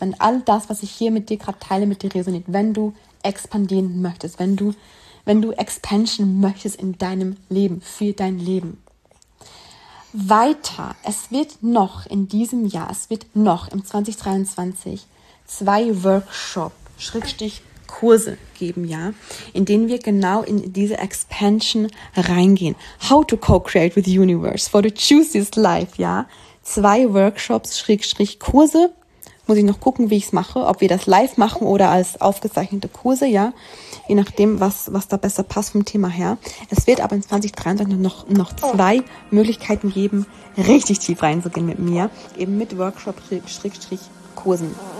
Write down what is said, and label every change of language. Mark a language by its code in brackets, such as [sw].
[de] Wenn all das, was ich hier mit dir gerade teile, mit dir resoniert, wenn du expandieren möchtest, wenn du Expansion möchtest in deinem Leben, für dein Leben. Weiter, es wird noch in diesem Jahr, es wird noch im 2023 2 Workshop-Schrägstrich Kurse geben, ja, in denen wir genau in diese Expansion reingehen. [en] How to co-create with the universe for the juiciest life, ja. [de] 2 Workshops-Kurse. Muss ich noch gucken, wie ich es mache, ob wir das live machen oder als aufgezeichnete Kurse, ja. Je nachdem, was da besser passt vom Thema her. Es wird aber in 2023 noch 2 Möglichkeiten geben, richtig tief reinzugehen mit mir, eben mit Workshop-Kursen.